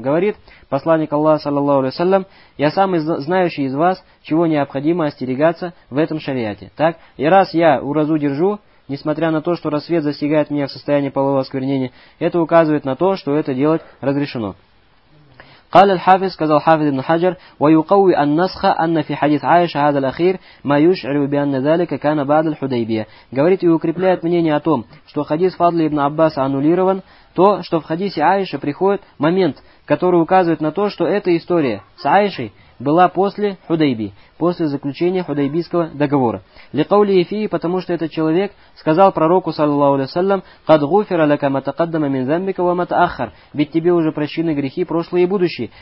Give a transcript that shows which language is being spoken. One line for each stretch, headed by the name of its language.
Russian: Говорит посланник Аллаха, саллаллаху алейхи ва саллям, я самый знающий из вас, чего необходимо остерегаться в этом шариате. Так? И раз я уразу держу, несмотря на то, что рассвет застигает меня в состоянии полового осквернения, это указывает на то, что это делать разрешено.
Arabic: قال الحافظ
Russian: сказал
Arabic: Хафиз ибн Хаджар ويقوي النسخ ان في حديث عائشة هذا الاخير ما يشعر بان ذلك كان بعد الحديبية.
Russian: Говорит, и укрепляет мнение о том, что хадис Фадли ибн Аббаса аннулирован, то, что в хадисе Аиши приходит момент, который указывает на то, что эта история с Аишей была после Худайби, после заключения Худайбийского договора. Ликаули Ефии, потому что этот человек сказал пророку, саллаллаху алейхи ва саллям,
Arabic: «Кад гуфира лака матакаддама мин замбика ва матаахар»,
Russian: ведь тебе уже прощены грехи прошлые и будущие.